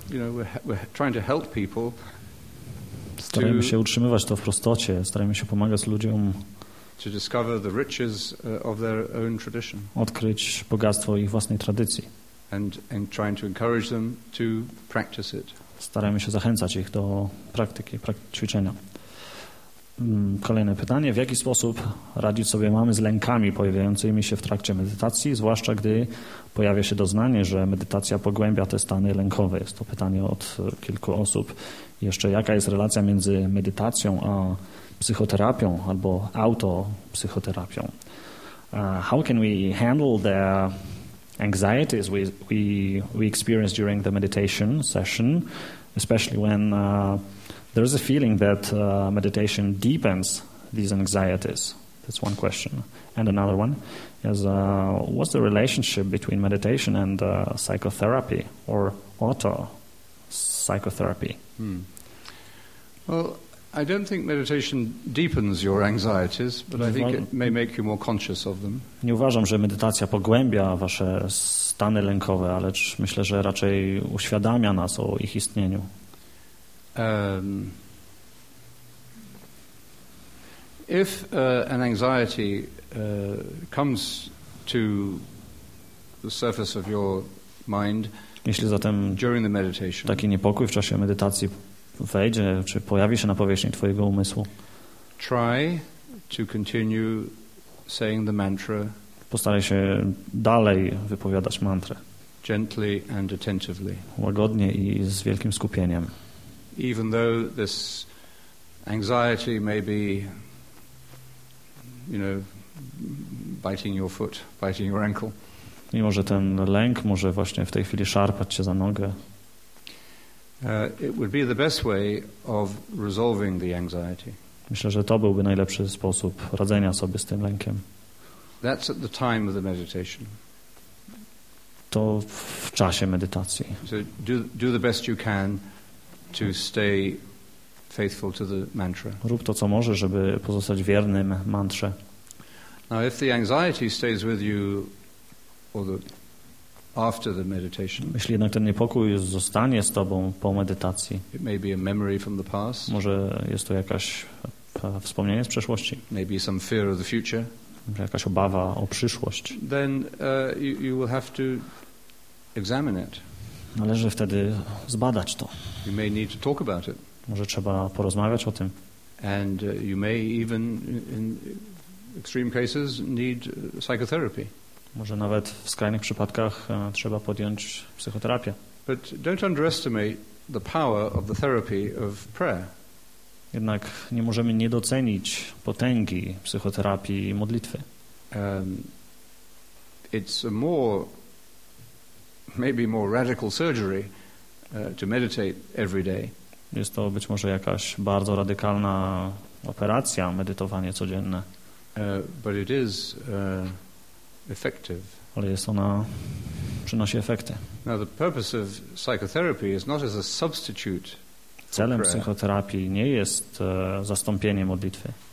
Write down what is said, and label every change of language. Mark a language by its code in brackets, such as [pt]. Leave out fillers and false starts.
[en] You know, we're trying to help people. [pl] Starajmy się utrzymywać to w prostocie, starajmy się pomagać ludziom [en] to discover the riches of their own tradition. [pl] Odkryć bogactwo ich własnej tradycji. [en] And trying to encourage them to practice it. [pl] Starajmy się zachęcać ich do praktyki, ćwiczenia. Kolejne pytanie. W jaki sposób radzić sobie mamy z lękami pojawiającymi się w trakcie medytacji, zwłaszcza gdy pojawia się doznanie, że medytacja pogłębia te stany lękowe? Jest to pytanie od kilku osób. Jeszcze jaka jest relacja między medytacją a psychoterapią albo autopsychoterapią? [en] How can we handle the anxieties we experience during the meditation session, especially when there is a feeling that meditation deepens these anxieties? That's one question. And another one is, what's the relationship between meditation and psychotherapy or auto-psychotherapy? Well, I don't think meditation deepens your anxieties, but I think it may make you more conscious of them. [pl] Nie uważam, że medytacja pogłębia wasze stany lękowe, ale myślę, że raczej uświadamia nas o ich istnieniu. [en] If an anxiety comes to the surface of your mind, [pl] jeśli zatem [en] during the meditation, [pl] taki niepokój w czasie medytacji wejdzie, czy pojawi się na powierzchni twojego umysłu, [en] try to continue saying the mantra. [pl] Postaraj się dalej wypowiadać mantrę. [en] Gently and attentively. [pl] Łagodnie i z wielkim skupieniem. [en] Even though this anxiety may be, you know, biting your foot, biting your ankle. [pl] Mimo że ten lęk może właśnie w tej chwili szarpać cię za nogę. [en] It would be the best way of resolving the anxiety. [pl] Myślę, że to byłby najlepszy sposób radzenia sobie z tym lękiem. [en] That's at the time of the meditation. [pl] To w czasie medytacji. [en] So do the best you can to stay faithful to the mantra. [pl] Rób to, co możesz, żeby pozostać wiernym mantrze. [en] Now, if the anxiety stays with you, or the after the meditation. [pl] Jeśli jednak ten niepokój zostanie z tobą po medytacji. [en] It may be a memory from the past. [pl] Może jest to jakaś wspomnienie z przeszłości. [en] Maybe some fear of the future. [pl] Jakaś obawa o przyszłość. [en] Then you will have to examine it. [pl] Należy wtedy zbadać to. [en] You may need to talk about it. [pl] Może trzeba porozmawiać o tym. [en] And you may even in extreme cases need psychotherapy. [pl] Może nawet w skrajnych przypadkach trzeba podjąć psychoterapię. [en] But don't underestimate the power of the therapy of prayer. [pl] Jednak nie możemy niedocenić potęgi psychoterapii i modlitwy. [en] It's a maybe more radical surgery to meditate every day. [pl] Jest to być może jakaś bardzo radykalna operacja, medytowanie codzienne. [en] But it is effective. [pl] Ale jest ona, przynosi efekty. [en] Now the purpose of psychotherapy is not as a substitute. [pl] Celem psychoterapii nie jest zastąpienie modlitwy.